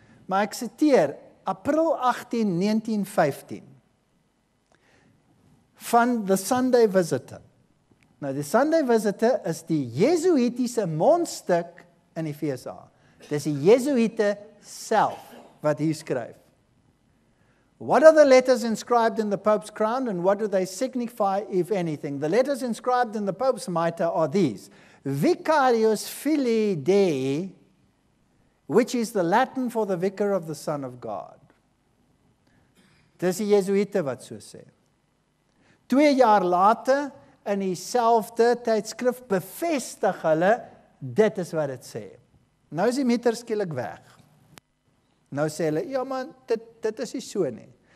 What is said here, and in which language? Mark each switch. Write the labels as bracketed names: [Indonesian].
[Afrikaans] Maar ek citeer April 18, 1915 van The Sunday Visitor. Nou, The Sunday Visitor is die jesuïtiese mondstuk in die VSA. Dis die jesuïte self wat hier skryf. [English] What are the letters inscribed in the Pope's crown and what do they signify, if anything? The letters inscribed in the Pope's mitre are these. [Latin] Vicarius Filii Dei, [English] which is the Latin for the vicar of the Son of God. [Afrikaans] Dis die Jesuïte wat so sê. 2 jaar later, in dieselfde tydskrif, bevestig hulle, dit is wat dit sê. Nou is die mitre skielik weg. Nou sê hulle, ja man, dit is nie so nie.